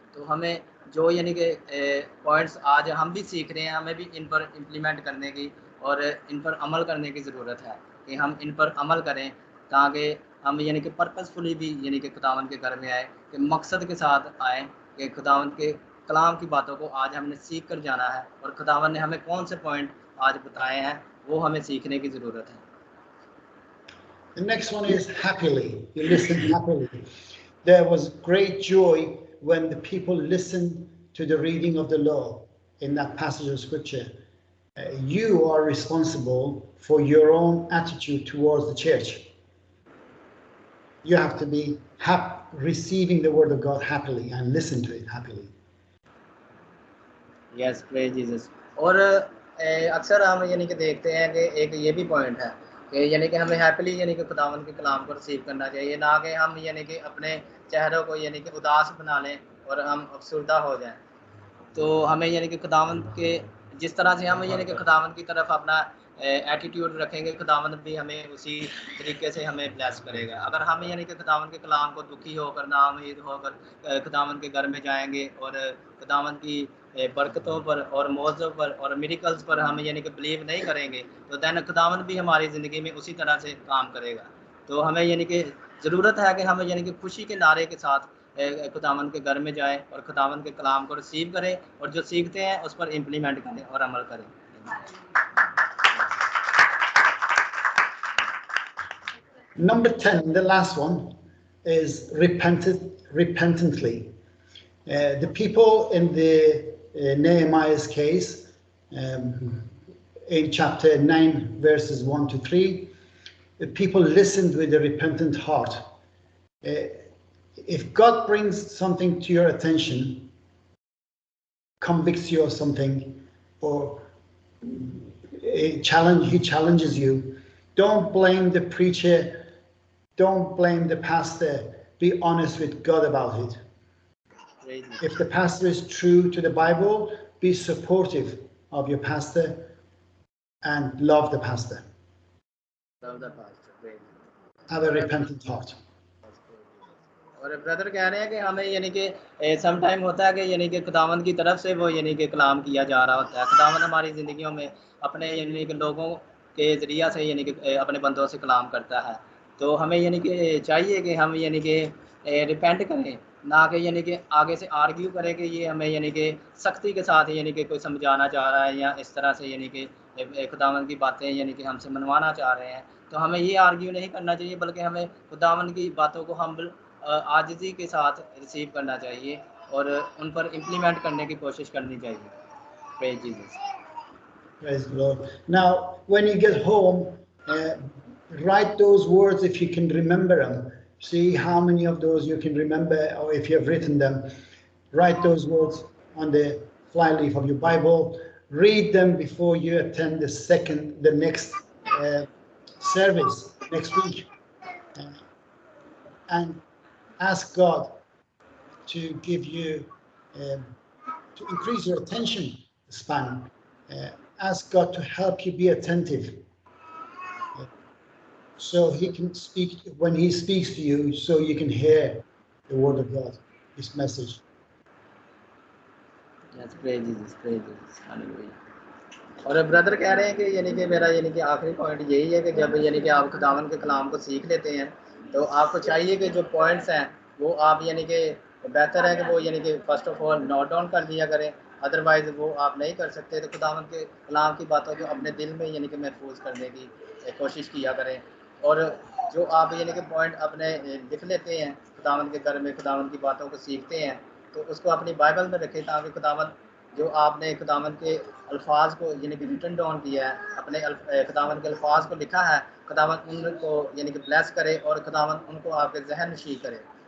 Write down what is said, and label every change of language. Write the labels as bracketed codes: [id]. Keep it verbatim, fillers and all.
[ur] تو ہمیں جو یعنی کہ پوائنٹس آج ہم بھی سیکھ رہے ہیں, ہمیں بھی ان پر امپلیمنٹ کرنے کی اور ان پر عمل کرنے کی ضرورت ہے کہ ہم ان پر عمل کریں تاکہ ہم یعنی کہ پرپسفلی بھی یعنی کہ خداوند کے گھر میں آئیں, کہ مقصد کے ساتھ آئیں کہ خداوند کے کلام کی باتوں کو آج ہم نے سیکھ کر جانا ہے اور خداوند نے ہمیں کون سے پوائنٹ آج بتائے ہیں وہ ہمیں سیکھنے کی ضرورت ہے. [en] The next one is happily. You listen happily. There was great joy when the people listened to the reading of the law in that passage of scripture. Uh, you are responsible for your own attitude towards the church. You have to be hap- receiving the word of God happily and listen to it happily. Yes, praise Jesus. [ur] اور اکثر ہم یعنی کہ دیکھتے ہیں کہ ایک یہ بھی پوائنٹ ہے کہ یعنی کہ ہمیں ہیپیلی یعنی کہ خداوند کے کلام کو ریسیو کرنا چاہیے, نہ کہ ہم یعنی کہ اپنے چہروں کو یعنی کہ اداس بنا لیں اور ہم افسردہ ہو جائیں. تو ہمیں یعنی کہ خداوند کے جس طرح سے ہم یعنی کہ خداوند کی طرف اپنا ایٹیٹیوڈ رکھیں گے خداوند بھی ہمیں اسی طریقے سے ہمیں بلیس کرے گا. اگر ہم یعنی کہ خداوند کے کلام کو دکھی ہو کر ناامید ہو کر خداوند کے گھر میں جائیں گے اور خداوند کی برکتوں پر اور موضوع پر اور میریکلز پر ہم یعنی کہ بلیو نہیں کریں گے تو دین خداوند بھی ہماری زندگی میں اسی طرح سے کام کرے گا. تو ہمیں یعنی کہ ضرورت ہے کہ ہم یعنی کہ خوشی کے نعرے کے ساتھ خداوند کے گھر میں جائیں اور خداوند کے کلام کو ریسیو کریں اور جو سیکھتے ہیں اس پر امپلیمنٹ کریں اور عمل کریں. [en] Number ten, the last one, is repentant, repentantly. Uh, the people in the uh, Nehemiah's case, um, in chapter nine, verses one to three, the people listened with a repentant heart. Uh, if God brings something to your attention, convicts you of something, or a challenge, he challenges you, don't blame the preacher. Don't blame the pastor. Be honest with God about it. If the pastor is true to the Bible, be supportive of your pastor and love the pastor. Love the pastor. Have a repentant heart. [ur] اور برادر کہہ رہے ہیں کہ ہمیں یعنی کہ some time ہوتا ہے کہ یعنی کہ خداوند کی طرف سے وہ یعنی کہ کلام کیا جا رہا ہوتا ہے. خداوند ہماری زندگیوں میں اپنے یعنی کہ لوگوں کے ذریعہ سے یعنی کہ اپنے بندوں سے کلام کرتا ہے. تو ہمیں یعنی کہ چاہیے کہ ہم یعنی کہ ریپینٹ کریں نہ کہ یعنی کہ آگے سے آرگیو کریں کہ یہ ہمیں یعنی کہ سختی کے ساتھ یعنی کہ کوئی سمجھانا چاہ رہا ہے یا اس طرح سے یعنی کہ خداوند کی باتیں یعنی کہ ہم سے منوانا چاہ رہے ہیں. تو ہمیں یہ آرگیو نہیں کرنا چاہیے بلکہ ہمیں خداوند کی باتوں کو ہم عاجزی کے ساتھ ریسیو کرنا چاہیے اور ان پر امپلیمنٹ کرنے کی کوشش کرنی چاہیے. [en] Praise Jesus. Praise the Lord. Now, when you get home, uh, write those words if you can remember them. See how many of those you can remember, or if you have written them. Write those words on the flyleaf of your Bible. Read them before you attend the second, the next uh, service next week, uh, and ask God to give you um, to increase your attention span. Uh, ask God to help you be attentive. So he can speak when he speaks to you, so you can hear the word of God, his message. Yes, praise Jesus, praise Jesus, hallelujah. [ur] اور برادر کہہ رہے ہیں کہ یعنی کہ میرا یعنی کہ آخری پوائنٹ یہی ہے کہ جب یعنی کہ آپ خداوند کے کلام کو سیکھ لیتے ہیں تو آپ کو چاہیے کہ جو پوائنٹس ہیں وہ آپ یعنی کہ بہتر ہے کہ وہ یعنی کہ [en] first of all [ur] note down کر لیا کریں. ادروائز وہ آپ نہیں کر سکتے. تو خداوند کے کلام کی باتوں کو اپنے دل میں یعنی کہ محفوظ کرنے کی کوشش کیا کریں اور جو آپ یعنی کہ پوائنٹ اپنے لکھ لیتے ہیں خداوند کے گھر میں خداوند کی باتوں کو سیکھتے ہیں تو اس کو اپنی بائبل میں رکھیں تاکہ خداوند جو آپ نے خداوند کے الفاظ کو یعنی کہ ریٹن ڈاؤن کیا ہے اپنے خداوند کے الفاظ کو لکھا ہے خداوند ان کو یعنی کہ بلیس کرے اور خداوند ان کو آپ کے ذہن نشین کرے.